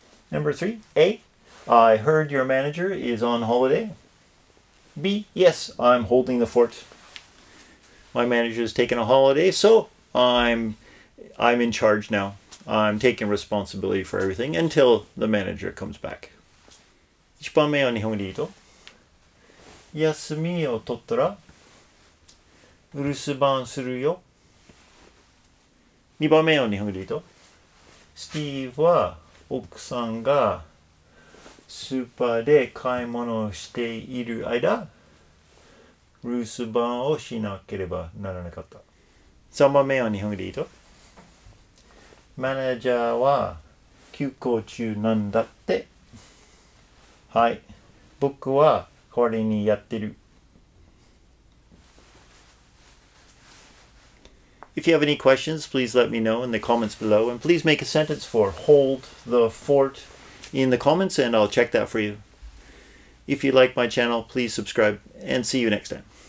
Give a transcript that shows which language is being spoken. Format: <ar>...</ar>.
<en>Number three, A, I heard your manager is on holiday. B, yes, I'm holding the fort. My manager is taking a holiday, so I'm in charge now. I'm taking responsibility for everything until the manager comes back.</en> <ja>1番目は日本語で言うと、休みを取ったら留守番するよ。 2番目は日本語で言うと、スティーブは奥さんがスーパーで買い物をしている間、留守番をしなければならなかった。 3番目は日本語で言うと、マネージャーは休校中なんだって。はい、僕は代わりにやってる。</ja> <en>If you have any questions, please let me know in the comments below, and please make a sentence for hold the fort in the comments, and I'll check that for you. If you like my channel, please subscribe, and see you next time.</en>